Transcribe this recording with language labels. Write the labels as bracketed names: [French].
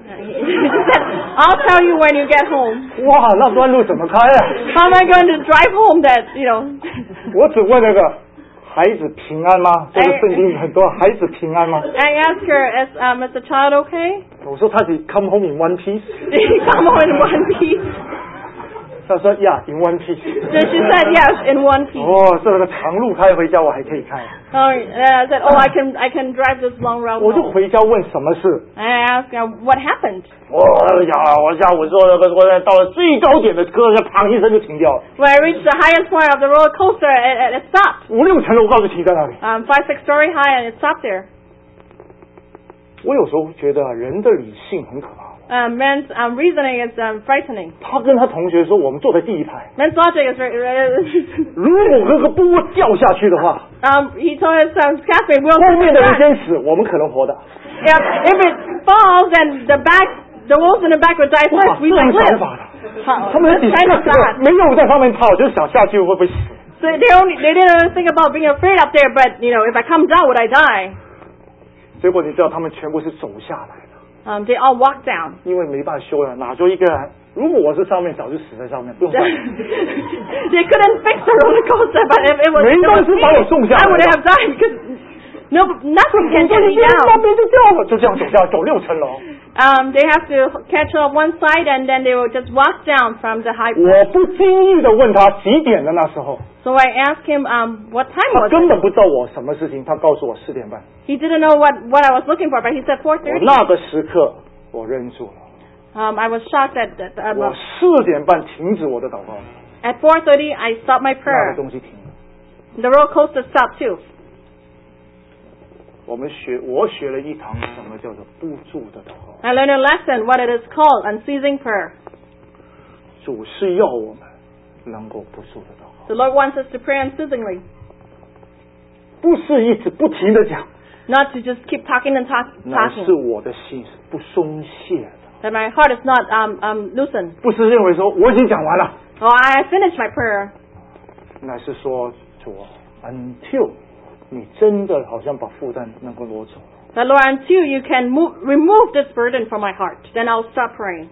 [English] I'll tell you when you get home. [Chinese] 哇，那段路怎么开啊 [English] ？How am I going to drive home? That you know. [Chinese] 我只问那个。孩子平安吗？这个圣经很多孩子平安吗 [English] ？I ask her, is the child okay? [Chinese] 我说他 [English] come home in one piece. He come home in one piece. [Chinese] 他说 [English] yeah, in one piece. So she said yes, in one piece. [Chinese] 哦，这个长路开回家我还可以开。 [English] I said, I can drive this long road. [Chinese] 我就回家问什么事。 [English] I ask her what happened. [Chinese] 我说那个我到了最高点的车，砰一声就停掉了。 [English] When I reached the highest point of the roller coaster, it stopped. [Chinese] 五六层楼高就停在那里。 [English] Five, six story high, and it stopped there. [Chinese] 我有时候觉得人的理性很可怕。 [English] Man's reasoning is frightening. [Chinese] 他跟他同学说，我们坐在第一排。 [English] Man's logic is very. [Chinese] 如果那个波掉下去的话 [English] ，He told his classmate, "We'll [Chinese] survive." 后面的人先死，我们可能活的。 [English] Yeah, if it falls, then the back, the wolves in the back will die first. We will live. [Chinese] 他们底下没有在上面跑，就是想下去会不会死。 [English] So they didn't think about being afraid up there, but you know, if I come down, would I die? [Chinese] 结果你知道，他们全部是走下来。 [English] They all walk down. [Chinese] 因为没办法修了，哪就一个人？如果我是上面，早就死在上面，不用管。 [English] They couldn't fix the roller coaster, but if it was, [Chinese] 没关系，把我送下来。 [English] I would have died because nothing can get me down. [Chinese] 那边就掉了，就这样走下来，走六层楼。 [English] They have to catch up one side and then they will just walk down from the high [Chinese] point. 我不经意的问他几点的那时候。 [English] So I asked him, what time was it? [Chinese] 他根本不知道我什么事情，他告诉我四点半。 [English] He didn't know what I was looking for, but he said 4:30. [Chinese] 我那个时刻，我认住了。 [English] I was shocked at that. [Chinese] 我四点半停止我的祷告。 [English] At 4:30, I stopped my prayer. [Chinese] 那个东西停了。 [English] The roller coaster stopped too. [Chinese] 我学了一堂什么叫做不住的祷告。 [English] I learned a lesson what it is called unceasing prayer. [Chinese] 主是要我们能够不住的祷告。 [English] The Lord wants us to pray unceasingly. [Chinese] 不是一直不停的讲。 [English] Not to just keep talking and talking. [Chinese] 乃是我的心是不松懈的。 [English] That my heart is not loosened. [Chinese] 不是认为说我已经讲完了。 [English] Oh, I finished my prayer. [Chinese] 乃是说主啊 ，until 你真的好像把负担能够挪走。 [English] But Lord, until you can remove this burden from my heart, then I'll stop praying.